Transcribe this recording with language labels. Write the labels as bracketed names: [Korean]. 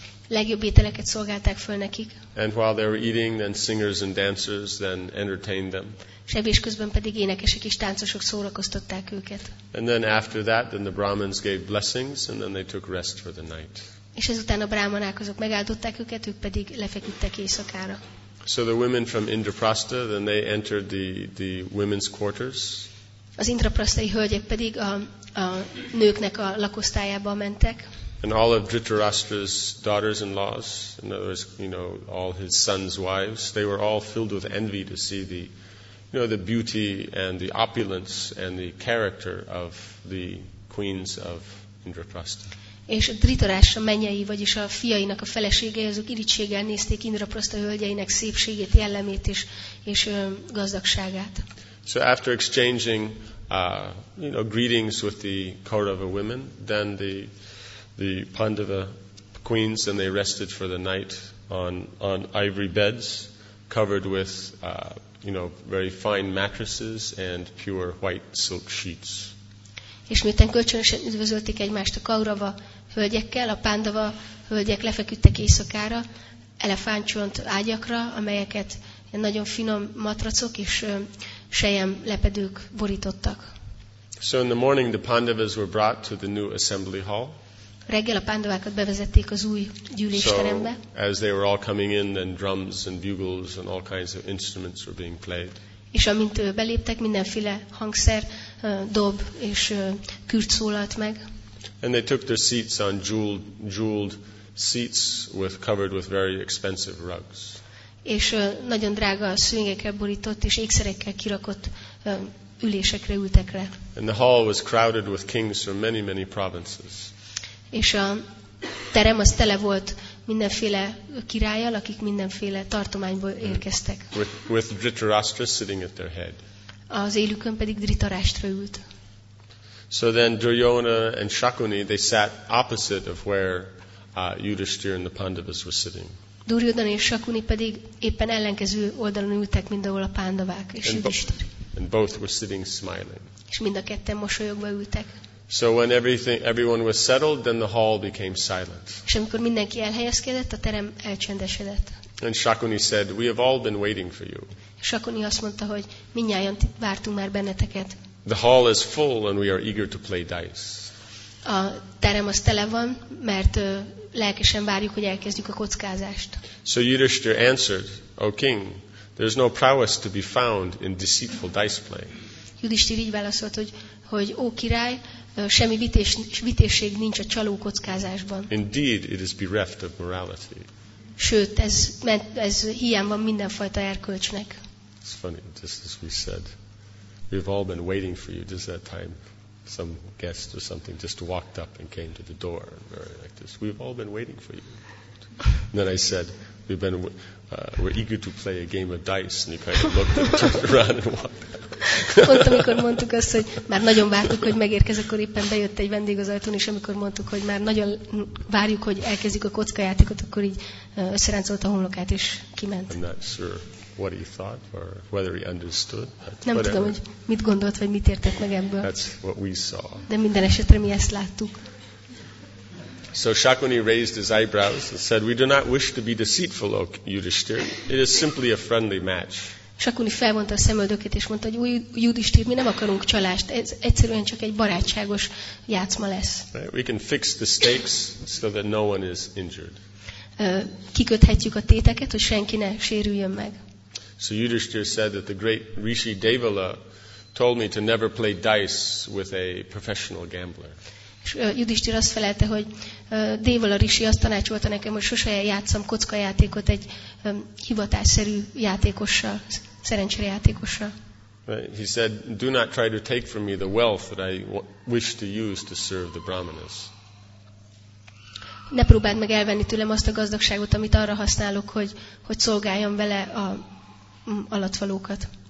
[Hungarian] Legjobb ételeket szolgálták föl nekik. [English] And while they were eating, then singers and dancers then entertained them. [Hungarian] És ebés közben pedig énekesek és táncosok szórakoztatták őket. [English] And then after that, then the Brahmins gave blessings, and then they took rest for the night. [Hungarian] És ezután a brámanák azok megáldották őket, ők pedig lefeküdtek éjszakára. [English] So the women from Indraprastha, then they entered the women's quarters. [Hungarian] Az indraprasztai hölgyek pedig a nőknek a lakosztályába mentek. [English] And all of Dhritarashtra's daughters-in-laws, in other words, you know, all his sons' wives, they were all filled with envy to see the, you know, the beauty and the opulence and the character of the queens of Indraprastha. [Hungarian] És Dhritarashtra menyei, vagyis a fiainak a feleségei, azok irigységgel nézték Indraprastha hölgyeinek szépségét, jellemét és gazdagságát. [English] So after exchanging you know, greetings with the Kaurava women, then the Pandava queens, and they rested for the night on ivory beds covered with you know, very fine mattresses and pure white silk sheets. [Hungarian] És miután kölcsönösen üdvözölték egymást a Kaurava hölgyekkel, a Pandava hölgyek lefeküdtek éjszakára elefántcsont ágyakra, amelyeket nagyon finom matracok és selyem lepedők borítottak. [English] So in the morning the Pandavas were brought to the new assembly hall. [Hungarian] Reggel a Pandavákat bevezették az új gyűlésterembe. [English] So as they were all coming in, then drums and bugles and all kinds of instruments were being played. [Hungarian] És amint beléptek, mindenféle hangszer, dob és kürt szólalt meg. [English] And they took their seats on jeweled seats covered with very expensive rugs. [Hungarian] És nagyon drága szőnyegekkel borított és ékszerekkel kirakott ülésekre ültek rá. [English] And the hall was crowded with kings from many, many provinces. [Hungarian] És a terem az tele volt mindenféle királlyal, akik mindenféle tartományból érkeztek. [English] With Dhritarashtra sitting at their head. [Hungarian] Az élükön pedig Dhritarashtra ült. [English] So then Duryodhana and Shakuni, they sat opposite of where Yudhishthira and the Pandavas were sitting. [Hungarian] Duryodhana és Shakuni pedig éppen ellenkező oldalon ültek, mint ahol a Pandavák és Yudhishthira. [English] And both were sitting smiling. [Hungarian] És mind a ketten mosolyogva ültek. [English] So when everyone was settled, then the hall became silent. [Hungarian] És amikor mindenki elhelyezkedett, a terem elcsendesedett. [English] And Shakuni said, "We have all been waiting for you." [Hungarian] Shakuni azt mondta, hogy mindnyájan vártunk már benneteket. [English] The hall is full and we are eager to play dice. [Hungarian] A terem az tele van, mert lelkesen várjuk, hogy elkezdjük a kockázást. [English] So Yudhishthira answered, "O king, there's no prowess to be found in deceitful dice play." [Hungarian] Yudhishthira így válaszolt, hogy ó király, semmi vitésség nincs a csaló kockázásban. [English] Indeed, it is bereft of morality. [Hungarian] Sőt, ez hiány van mindenfajta erkölcsnek. [English] It's funny, just as we said. We've all been waiting for you. Just that time, some guest or something just walked up and came to the door, very like this. We've all been waiting for you. And then I said, we're eager to play a game of dice. And you kind of looked and turned around and walked out. [Hungarian] Pont amikor mondtuk azt, hogy már nagyon vártuk, hogy megérkezik, akkor éppen bejött egy vendég az ajtón, és amikor mondtuk, hogy már nagyon várjuk, hogy elkezdjük a kockajátékot, akkor így összeráncolt a homlokát és kiment. [English] I'm not sure what he thought or whether he understood. [Hungarian] Nem tudom, hogy mit gondolt, vagy mit értett meg ebből. [English] That's what we saw. [Hungarian] De minden esetre mi ezt láttuk. [English] So Shakuni raised his eyebrows and said, "We do not wish to be deceitful, O Yudhishthira. It is simply a friendly match." [Hungarian] Shakuni felvonta a szemöldökét és mondta, hogy ó Yudhishthira, mi nem akarunk csalást. Ez egyszerűen csak egy barátságos játszma lesz. [English] Right? We can fix the stakes so that no one is injured. [Hungarian] Kiköthetjük a téteket, hogy senki ne sérüljön meg. [English] So Yudhishthira said that the great Rishi Devala told me to never play dice with a professional gambler. [Hungarian] És Yudhishthira azt felelte, hogy Devala Rishi azt tanácsolta nekem, hogy sose játszam kockajátékot egy hivatásszerű játékossal, szerencsére játékossal. [English] He said, "Do not try to take from me the wealth that I wish to use to serve the brahmanas." [Hungarian] Ne próbáld meg elvenni tőlem azt a gazdagságot, amit arra használok, hogy szolgáljam vele a alattvalókat.